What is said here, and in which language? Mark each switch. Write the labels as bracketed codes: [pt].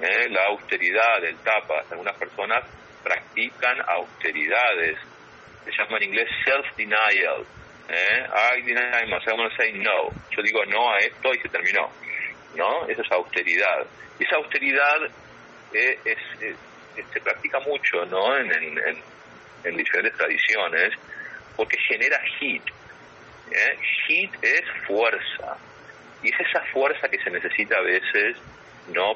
[es] La austeridad, el tapas, algunas personas practican austeridades, se llama en inglés self-denial. [en] I deny myself, I'm going to say no. [es] Yo digo no a esto y se terminó, ¿no? Eso es austeridad. Y esa austeridad se practica mucho, ¿no? En diferentes tradiciones, porque genera heat. Heat es fuerza. Y es esa fuerza que se necesita a veces, ¿no?